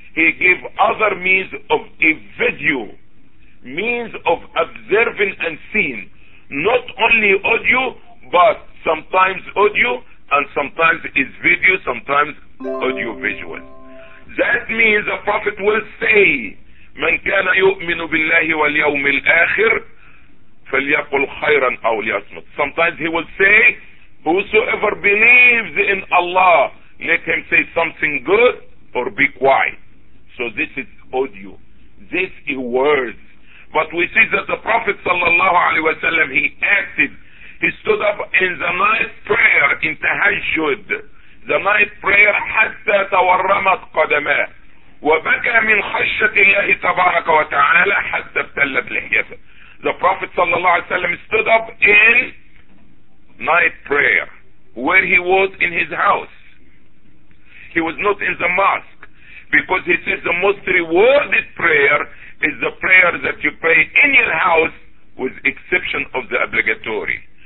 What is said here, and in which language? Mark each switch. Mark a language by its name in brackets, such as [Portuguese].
[English] He gave other means of a video, means of observing and seeing, not only audio, but sometimes audio and sometimes it's video, sometimes audio visual. That means the Prophet will say, [Arabic] من كان يؤمن بالله واليوم الآخر فليقل خيرا أو ليصمت. [English] Sometimes he will say, whosoever believes in Allah, let him say something good or be quiet. So this is audio. This is words. But we see that the Prophet sallallahu alaihi wasallam, he acted. He stood up in the night prayer in tahajjud. The night prayer, [Arabic] حَتَّى تَوَرَّمَتْ قَدَمَاهُ وَبَكَى مِنْ خَشَّةِ اللَّهِ تَبَارَكَ وَتَعَالَى حَتَّى ابْتَلَّتْ لِحْيَتَهُ. [English] The Prophet sallallahu alaihi wasallam stood up in night prayer where he was in his house. He was not in the mosque, because he says the most rewarded prayer is the prayer that you pray in your house with exception of the obligatory.